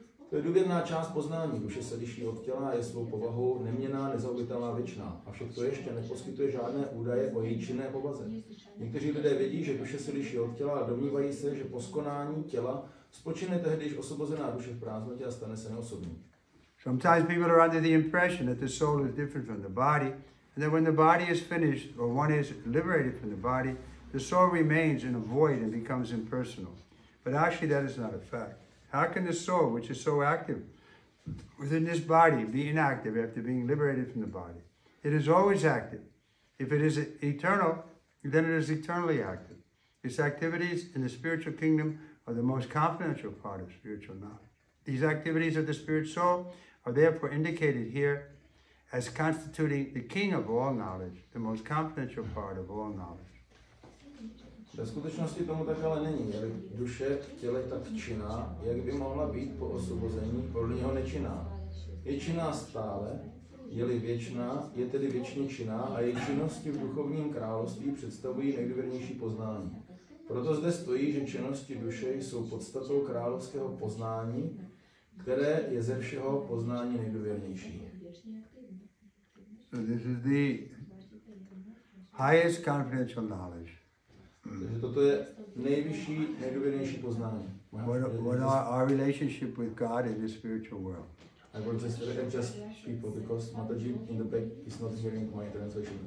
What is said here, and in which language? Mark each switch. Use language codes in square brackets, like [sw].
[cs] To je důvěrná část poznání. Duše se liší od těla a je svou povahou neměná, nezaobitelná, věčná. Avšak to ještě neposkytuje žádné údaje o její činné povaze. Někteří lidé vědí, že duše se liší od těla a domnívají se, že po skonání těla spočine tehdy, když osvobozená duše v prázdnotě a stane se neosobní. [en] Sometimes people are under the impression that the soul is different from the body, and that when the body is finished, or one is liberated from the body, the soul remains in a void and becomes impersonal. But actually, that is not a fact. How can the soul, which is so active within this body, be inactive after being liberated from the body? It is always active. If it is eternal, then it is eternally active. Its activities in the spiritual kingdom are the most confidential part of spiritual knowledge. These activities of the spirit soul are therefore indicated here as constituting the king of all knowledge, the most confidential part of all knowledge. [cs] Ve skutečnosti tomu tak ale není. Je duše v těle tak činná, jak by mohla být po osvobození, podle něho nečinná. Je činná stále, je-li věčná, je tedy věčně činná a její činnosti v duchovním království představují nejdůvěrnější poznání. Proto zde stojí, že činnosti duše jsou podstatou královského poznání, které je ze všeho poznání nejdůvěrnější. [en] So this is the highest confidential knowledge. [cs] Takže toto je nejvyšší, nejdůvěrnější poznání. [en] What are our relationship with God in the spiritual world? I want to say that just people, because Mataji in the back is not hearing my translation.